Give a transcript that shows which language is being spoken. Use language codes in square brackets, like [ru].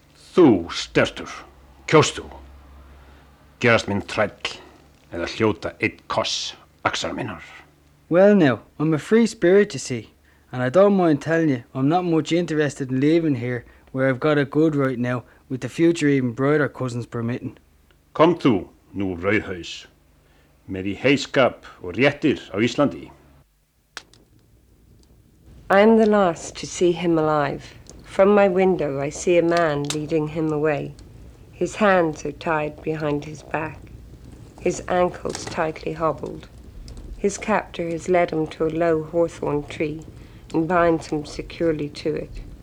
[is] Þú, stertur, kjóstu, gerast minn træll eða hljóta eitt koss axar minnar. [en] Well now, I'm a free spirit, you see, and I don't mind telling you, I'm not much interested in leaving here where I've got a good right now, with the future even brighter cousins permitting. [is] Kom þú, nú rauðhaus, með í heyskap og réttir á Íslandi. [en] I'm the last to see him alive. From my window I see a man leading him away. His hands are tied behind his back, his ankles tightly hobbled. His captor has led him to a low hawthorn tree and binds him securely to it.